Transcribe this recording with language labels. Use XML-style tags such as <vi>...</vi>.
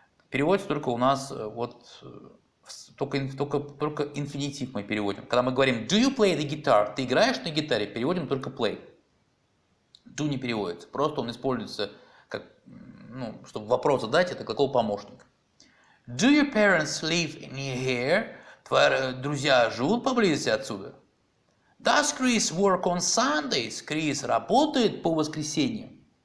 <ru>Переводится только у нас, вот, только infinitive мы переводим. Когда мы говорим</ru> <en>do you play the guitar,</en> <ru>ты играешь на гитаре, переводим только play. Do не переводится, просто он используется, как, ну, чтобы вопрос задать, это глагол помощник.</ru> <en>Do your parents live near here?</en> <ru>Твои друзья живут поблизости отсюда?</ru> <en>Does Chris work on Sundays?</en> <ru>Крис работает по воскресеньям?</ru>